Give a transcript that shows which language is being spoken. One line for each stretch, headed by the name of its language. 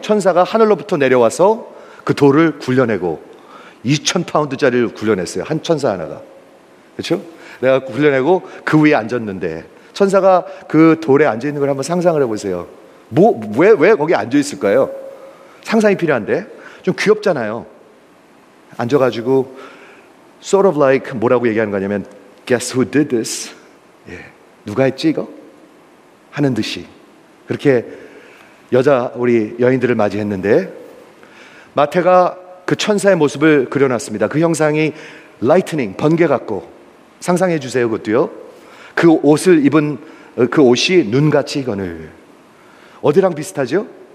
Korean: 천사가 하늘로부터 내려와서 그 돌을 굴려내고 2,000파운드짜리를 굴려냈어요. 한 천사 하나가. 그렇죠? 내가 굴려내고 그 위에 앉았는데 천사가 그 돌에 앉아있는 걸 한번 상상을 해보세요. 왜 거기 앉아있을까요? 상상이 필요한데 좀 귀엽잖아요. 앉아가지고
English: sort of like
Korean: 뭐라고 얘기하는 거냐면
English: guess who did this?
Korean: 예, 누가 했지 이거? 하는 듯이 그렇게 여자 우리 여인들을 맞이했는데 마태가 그 천사의 모습을 그려놨습니다. 그 형상이 lightning, 번개 같고 상상해 주세요. 그것도요. 그 옷을 입은 그 옷이 눈같이 거늘. 어디랑 비슷하죠?